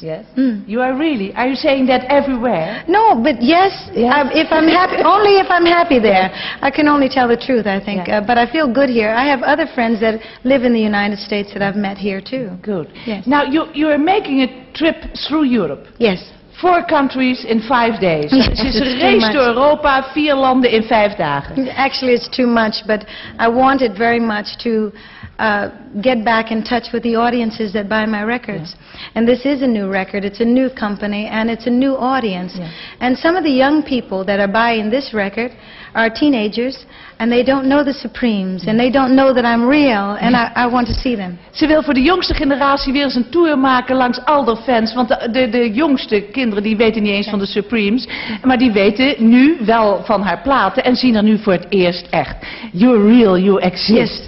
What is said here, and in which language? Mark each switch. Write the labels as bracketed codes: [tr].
[en] Yes. Mm. You are really? Are you saying that everywhere? No, but yes. If I'm happy, only if I'm happy there. Yes. I can only tell the truth, I think. Yes. But I feel good here. I have other friends that live in the United States that I've met here, too. Good. Yes. Now, you are making a trip through Europe. Yes. 4 countries in 5 days. [nl] Ze is gereisd door Europa, 4 landen in 5 dagen. [en] Actually, it's too much, but I wanted very much to get back in touch with the audiences that buy my records. Yeah. And this is a new record, it's a new company, and it's a new audience. Yeah. And some of the young people that are buying this record are teenagers, and they don't know the Supremes, and they don't know that I'm real, and I want to see them. [nl] Ze wil voor de jongste generatie weer eens een tour maken langs al de fans, want de jongste kinderen die weten niet eens van de Supremes, maar die weten nu wel van haar platen en zien haar nu voor het eerst echt. [en] You're real, you exist.